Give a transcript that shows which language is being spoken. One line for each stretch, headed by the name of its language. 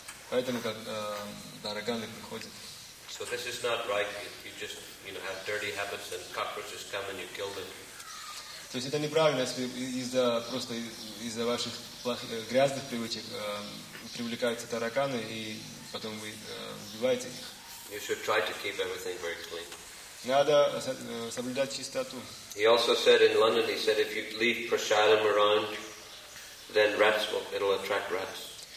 Russian: Поэтому тараканы приходят.
English: So this is not right. You just, you know, have dirty habits, and cockroaches come and you kill them.
Russian: То есть это неправильно, если из-за просто из-за ваших плохих грязных привычек привлекаются тараканы и потом вы убиваете их.
English: You should try to keep everything very clean.
Russian: Надо соблюдать чистоту.
English: He also said in London. He said if you leave prasadam around, then rats will it'll attract rats.